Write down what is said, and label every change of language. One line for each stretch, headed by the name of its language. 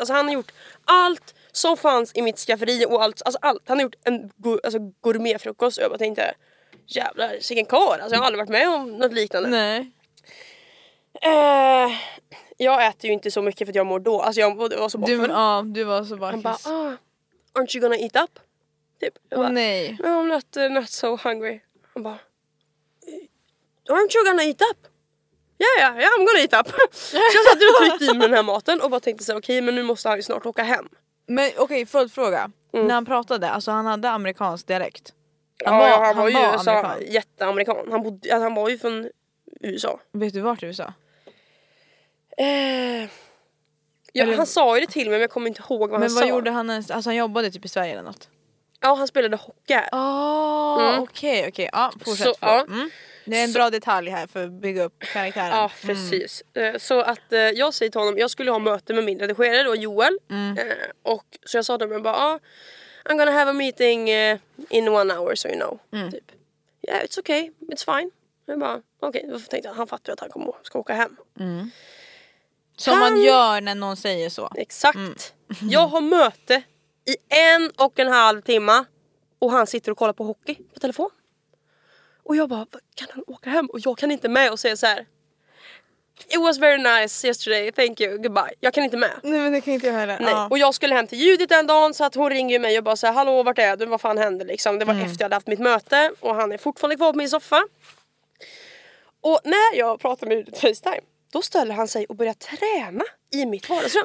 Swedish: Alltså han har gjort allt som fanns i mitt skafferi. Och allt. Alltså allt. Han har gjort en gourmetfrukost. Jag bara tänkte, jävlar, sicken kar. Alltså jag har aldrig varit med om något liknande. Nej. Jag äter ju inte så mycket för att jag mår då. Alltså jag var så bakfull. Ja, du var så bakfull. Han bara,
English: aren't you gonna eat up?
Swedish: Typ. Nej.
English: I'm not so hungry.
Swedish: Han bara,
English: aren't you gonna eat up? Yeah, I'm gonna eat up.
Swedish: Så jag satt och tryckte in den här maten och bara tänkte så, okej, men nu måste han ju snart åka hem. Men okej, följdfråga. Mm. När han pratade, alltså han hade amerikansk dialekt. Han var ju jätteamerikan. Han var ju från USA. Vet du vart i USA? Ja, han sa ju det till mig, men jag kommer inte ihåg vad han sa. Men vad gjorde han ens? Alltså han jobbade typ i Sverige eller något? Ja, han spelade hockey. Okej, okej. Ja, fortsätt. Så, det är en bra detalj här för att bygga upp karaktären. Ja, precis. Så att jag säger till honom, jag skulle ha möte med min redigerare då, Joel. Mm. Och så jag sa till honom, jag bara,
English: I'm gonna have a meeting in 1 hour, so you know. Mm.
Swedish: Typ.
English: Yeah, it's okay, it's fine.
Swedish: Jag bara, okej. Då tänkte jag, han fattar att han kommer ska åka hem. Mm. Som man gör när någon säger så. Exakt. Mm. Jag har möte i 1,5 timmar. Och han sitter och kollar på hockey på telefon. Och jag bara, kan han åka hem? Och jag kan inte med och säga så här.
English: It was very nice yesterday, thank you, goodbye.
Swedish: Jag kan inte med. Nej, men det kan inte jag höra. Nej. Och jag skulle hem till Judith en dag, så att hon ringer mig och bara säger, hallå, vart är du? Vad fan händer liksom? Det var efter jag hade haft mitt möte. Och han är fortfarande kvar på min soffa. Och när jag pratar med Judith FaceTime, då ställer han sig och börjar träna i mitt vardagsrum.